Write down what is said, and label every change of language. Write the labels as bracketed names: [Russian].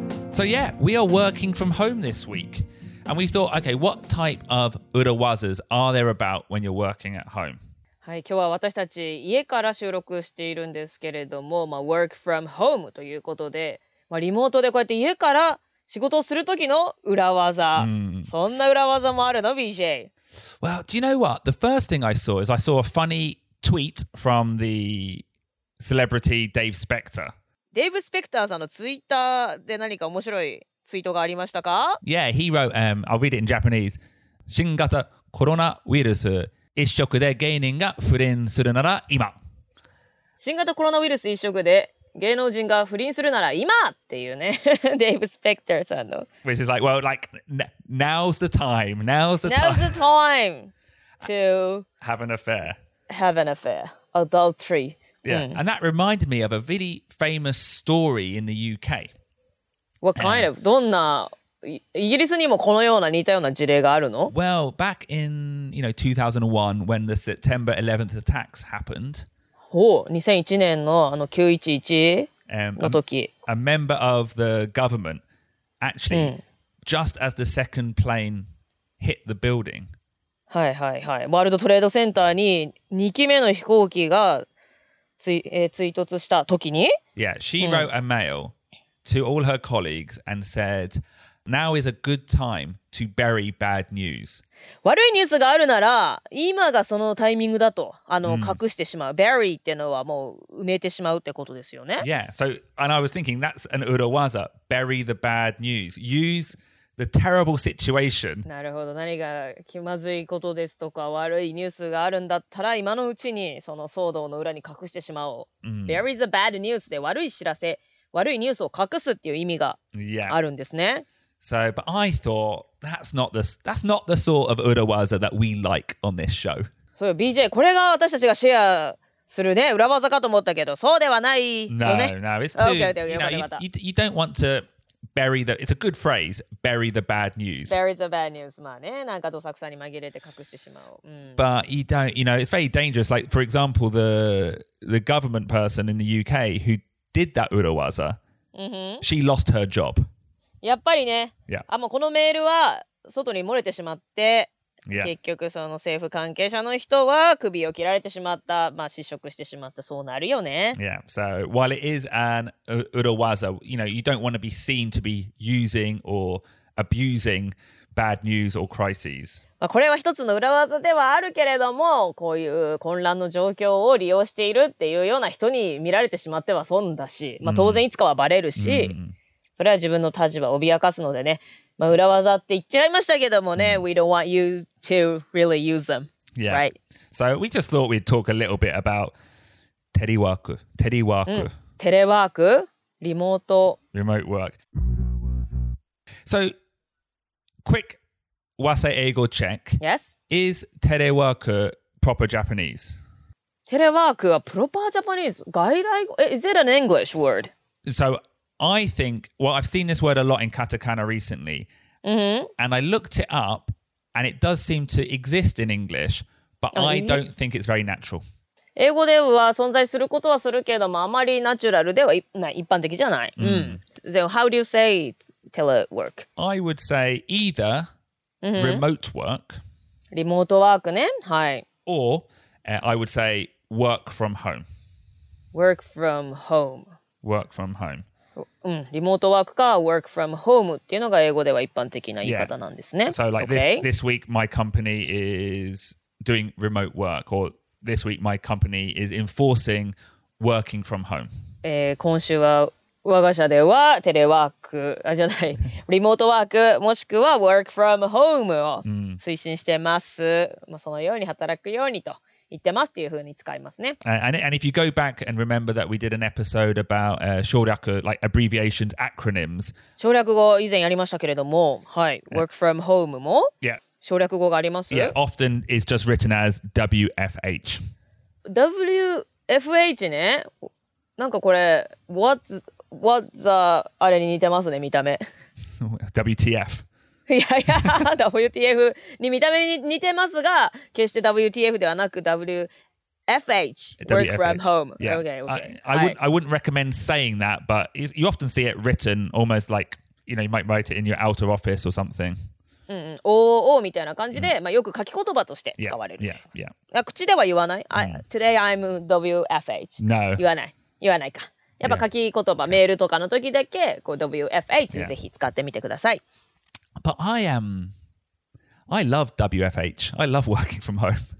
[English] So yeah, we are working from home this week. And we thought, okay, what type of urawazas are there about when you're working at home? [Japanese] はい、今日は私たち家から収録しているんですけれども、まあ、 [English] work from home [Japanese] ということで、まあ、リモートでこうやって家から仕事をする時の裏技、そんな裏技もあるの、BJ? [English] Well, do you know what? The first thing I saw is I saw a funny tweet from the celebrity Dave Spector. [Japanese] Dave Spector さんのツイッターで何か面白いツイートがありましたか? [English] Yeah, he wrote, I'll read it in Japanese. [Japanese] 新型コロナウイルス一色で芸人が不倫するなら今。新型コロナウイルス一色で芸能人が不倫するなら今っていうね、デイブ・スペクターさんの。 [English] Which is like, well, like, now's the time. Now's the time. Now's the time to have an affair. Have an affair. Adultery. Yeah,、and that reminded me of a really famous story in the UK. What kind of? [Japanese] どんな、イギリスにもこのような似たような事例があるの? [English] Well, back in, you know, 2001, when the September 11th attacks happened. [Japanese] ほう、2001年のあの911の時。 [English] A member of the government, actually, just as the second plane hit the building. [Japanese] はいはいはい。ワールドトレードセンターに2機目の飛行機が追突した時に [English] Yeah, she wrote a mail to all her colleagues and said, now is a good time to bury bad news. [Japanese] 悪いニュースがあるなら今がそのタイミングだと隠してしまう。 Bury ってのはもう埋めてしまうってことですよね。 [English] Yeah, so, and I was thinking that's an urawaza. Bury the bad news. Use... The terrible situation. [Japanese] なるほど。何が気まずいことですとか悪いニュースがあるんだったら今のうちにその騒動の裏に隠してしまおう。 Mm. Bury the bad news で悪い知らせ、悪いニュースを隠すっていう意味があるんですね。 [English] Yeah. So, but I thought that's not the sort of urawaza that we like on this show. [Japanese] そう、BJ、これが私たちがシェアするね、裏技かと思ったけど、そうではないよね。 [English] No, it's too... You don't want to... Bury the, it's a good phrase, bury the bad news. Bury the bad news. [Japanese] まあね、なんかどさくさに紛れて隠してしまおう。 [English] But you don't, you know, it's very dangerous. Like, for example, the government person in the UK who did that urawaza,、mm-hmm. she lost her job. [Japanese] やっぱりね、 [English] yeah. [Japanese] あ、もうこのメールは外に漏れてしまって、yeah. 結局その政府関係者の人は首を切られてしまった、まあ失職してしまった、そうなるよね。 [English] Yeah, so while it is an urawaza, you know, you don't want to be seen to be using or abusing bad news or crises. [Japanese] まあこれは一つの裏技ではあるけれども、こういう混乱の状況を利用しているっていうような人に見られてしまっては損だし、まあ当然いつかはバレるし、mm-hmm. それは自分の立場を脅かすのでね。まあ、裏技って言っちゃいましたけどもね、 [English] mm. We don't want you to really use them. Yeah. Right. So we just thought we'd talk a little bit about telework. Telework. Telework. Remote. Remote work. So quick wasaeigo check. Yes. Is telework proper Japanese? Telework is proper Japanese. [Japanese] 外来語? [English] Is it an English word? So. I think, well, I've seen this word a lot in katakana recently,、 mm-hmm. and I looked it up, and it does seem to exist in English, but I don't think it's very natural. [Japanese] 英語では存在することはするけれども、あまりナチュラルでは一般的じゃない。 [English] Mm. So how do you say telework? I would say either、mm-hmm. remote work. [Japanese] リモートワークね、はい。 [English] Or、I would say work from home. Work from home. Work from home. [Japanese] うん、リモートワークか [English] work from home [Japanese] っていうのが英語では一般的な言い方なんですね。 [English] Yeah. So like、okay. this week my company is doing remote work or this week my company is enforcing working from home.、 [Japanese] 今週は我が社ではテレワーク、あ、じゃない、リモートワークもしくは [English] work from home [Japanese] を推進してます。まあ、そのように働くようにと言ってますっていう風に使いますね。 [English] And if you go back and remember that we did an episode about 省略 like abbreviations, acronyms. [Japanese] 省略語以前やりましたけれども、はい、yeah. work from home も省略語があります。 [English] Yeah, often is just written as WFH. [Japanese] WFH ね、なんかこれ [English] what's the [Japanese] あれに似てますね、見た目。 [English] WTF。 [Japanese] いやいや、WTF に見た目に似てますが、決して WTF ではなく WFH, [English] WFH. Work from home. Yeah. Okay, okay. I wouldn't recommend saying that, but you often see it written almost like, you know, you might write it in your outer office or something. OO みたいな感じで、まあよく書き言葉として使われる。 Yeah. [Japanese] 口では言わない。 [English] Today I'm WFH. No. [Japanese] 言わない。言わないか。やっぱ書き言葉、yeah. メールとかの時だけこう WFH、yeah. ぜひ使ってみてください。 [English] But I love WFH. I love working from home.